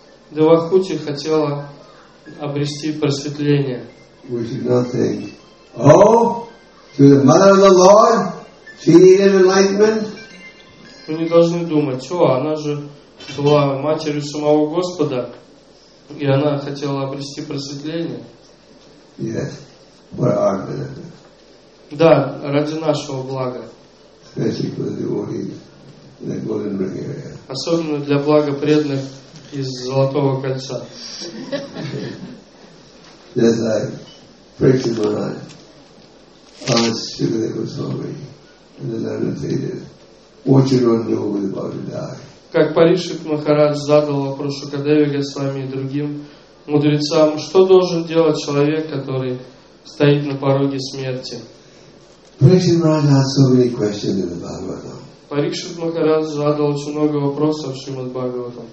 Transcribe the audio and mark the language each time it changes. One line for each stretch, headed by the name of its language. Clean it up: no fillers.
Russian: Девахути хотела обрести просветление.
English: We should not think, oh, to the mother of the Lord, she needed enlightenment.
Russian: Мы не должны думать, о, она же была матерью самого Господа, и она хотела обрести просветление.
English: Yes, for our benefit.
Russian: Да, ради нашего блага.
English: Especially for the devotees in the golden ring area.
Russian: Особенно для блага преданных из Золотого Кольца.
English: Just like Prince Maharaj asked Shukadeva Goswami and the learned sages, what should one do with the body to die?
Russian: Как Паришит Махарадж задал вопрос Шукадеве Госвами и другим мудрецам, что должен делать человек, который стоит на пороге смерти?
English: Паришит Махарадж asked so many questions in the Bhagavatam.
Russian: Парикшит Махарадж задал очень много вопросов Шримад Бхагаватам.